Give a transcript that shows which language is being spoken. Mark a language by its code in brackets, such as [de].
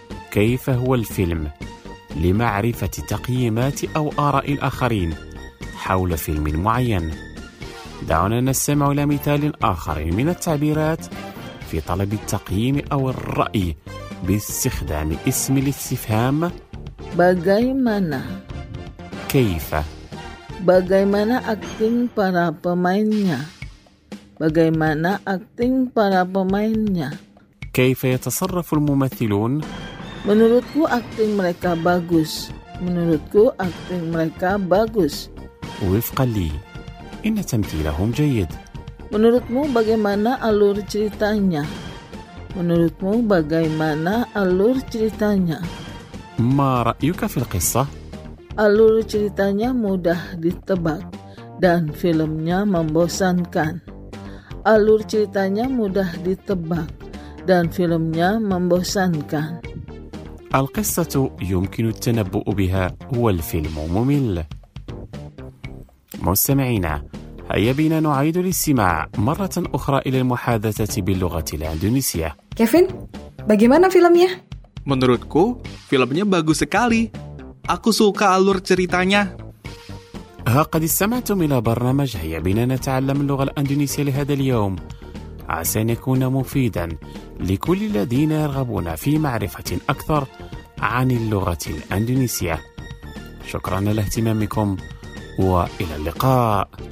[ar] كيف هو الفيلم؟ لمعرفة تقييمات أو آراء الآخرين حول فيلم معين. دعونا نستمع إلى مثال آخر من التعبيرات في طلب التقييم أو الرأي باستخدام اسم الاستفهام [id] Bagaimana? [ar] كيف؟ [id] Bagaimana acting para pemainnya? Bagaimana akting para pemainnya? [ar] كيف يتصرف الممثلون؟ [id] Menurutku akting mereka bagus. Menurutku akting mereka bagus. [ar] وفقا لي إن تمثيلهم جيد. [id] Menurutmu bagaimana alur ceritanya? Menurutmu bagaimana alur ceritanya? [ar] ما رأيك في القصة؟ [id] Alur ceritanya mudah ditebak. dan filmnya membosankan. Alur ceritanya mudah ditebak dan filmnya membosankan. [ar] القصة يمكن التنبؤ بها والفيلم ممل. مستمعينا، هيا بنا نعيد الاستماع مرة أخرى إلى المحادثة باللغة الإندونيسية. [id] كيفين، bagaimana filmnya؟ Menurutku, filmnya bagus sekali. Aku suka alur ceritanya. [ar] ها قد استمعتم إلى برنامج هيا بنا نتعلم اللغة الإندونيسية لهذا اليوم. عسى أن يكون مفيدا لكل الذين يرغبون في معرفة أكثر عن اللغة الإندونيسية. شكرا لاهتمامكم وإلى اللقاء.